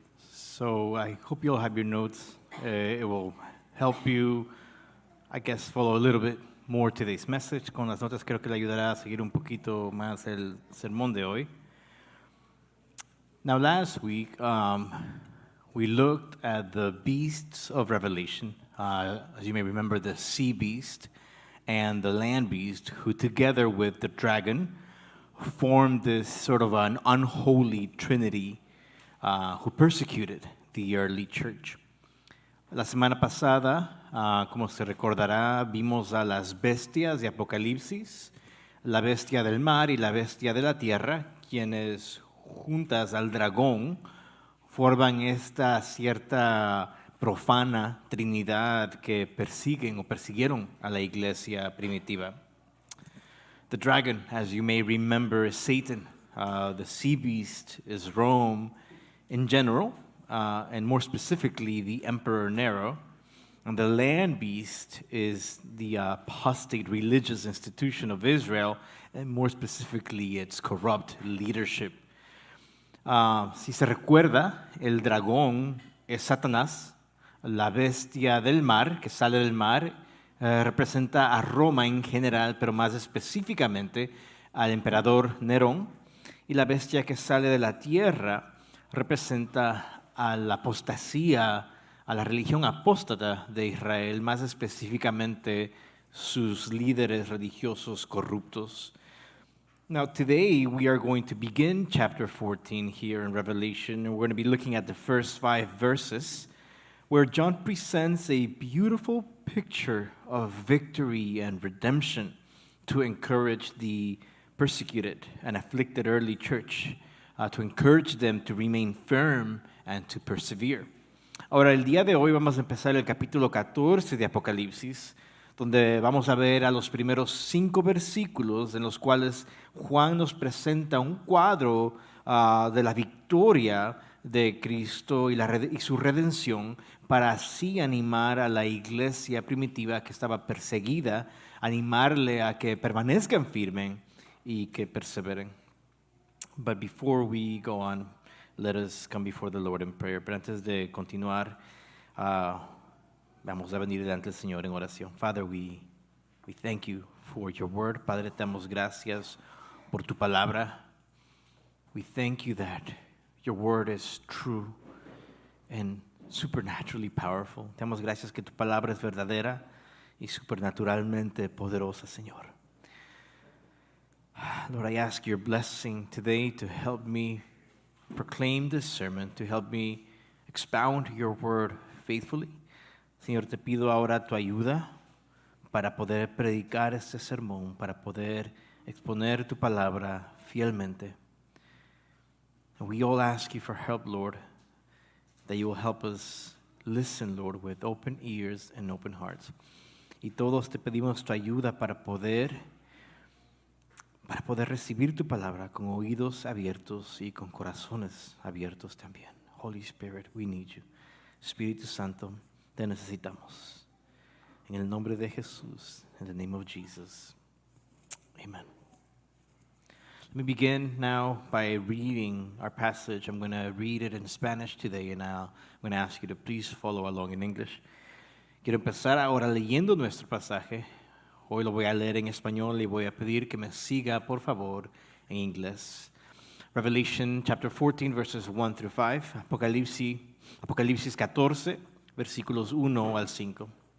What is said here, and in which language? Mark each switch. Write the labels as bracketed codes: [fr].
[en] So I hope you all have your notes. It will help you, I guess, follow a little bit more today's message. [es] Con las notas creo que le ayudará a seguir un poquito más el sermón de hoy. [en] Now last week, we looked at the beasts of Revelation. As you may remember, the sea beast and the land beast, who together with the dragon formed this sort of an unholy trinity who persecuted the early church. [es] La semana pasada, como se recordará, vimos a las bestias de Apocalipsis, la bestia del mar y la bestia de la tierra, quienes juntas al dragón forman esta cierta profana trinidad que persiguen o persiguieron a la iglesia primitiva. [en] The dragon, as you may remember, is Satan. The sea beast is Rome in general, and more specifically, the Emperor Nero. And the land beast is the apostate religious institution of Israel, and more specifically, its corrupt leadership. [es] Si se recuerda, el dragón es Satanás. La bestia del mar, que sale del mar, representa a Roma en general, pero más específicamente al emperador Nerón. Y la bestia que sale de la tierra representa a la apostasía, a la religión apóstata de Israel, más específicamente sus líderes religiosos corruptos. [en] Now, today we are going to begin chapter 14 here in Revelation, and we're going to be looking at the first five verses, where John presents a beautiful picture of victory and redemption to encourage the persecuted and afflicted early church, to encourage them to remain firm and to persevere. [es] Ahora, el día de hoy vamos a empezar el capítulo 14 de Apocalipsis, donde vamos a ver a los primeros cinco versículos en los cuales Juan nos presenta un cuadro de la victoria de Cristo y su redención, para así animar a la iglesia primitiva que estaba perseguida, animarle a que permanezcan firmes y que perseveren. [en] But before we go on, let us come before the Lord in prayer. [es] Pero antes de continuar, vamos a venir delante del Señor en oración. [en] Father, we thank you for your word. [es] Padre, te damos gracias por tu palabra. [en] We thank you that your word is true and supernaturally powerful. [es] Te damos gracias que tu palabra es verdadera y supernaturalmente poderosa, Señor. [en] Lord, I ask your blessing today to help me proclaim this sermon, to help me expound your word faithfully. [es] Señor, te pido ahora tu ayuda para poder predicar este sermón, para poder exponer tu palabra fielmente. [en] And we all ask you for help, Lord, that you will help us listen, Lord, with open ears and open hearts. [es] Y todos te pedimos tu ayuda para poder recibir tu palabra con oídos abiertos y con corazones abiertos también. [en] Holy Spirit, we need you. [es] Espíritu Santo, te necesitamos. En el nombre de Jesús, [en] in the name of Jesus. [es] Amen. [en] Let me begin now by reading our passage. I'm going to read it in Spanish today, and I'm going to ask you to please follow along in English. [es] Quiero empezar ahora leyendo nuestro pasaje. Hoy lo voy a leer en español y voy a pedir que me siga, por favor, en inglés. [en] Revelation chapter 14, verses 1 through 5. [es] Apocalipsis 14, versículos 1 al 5.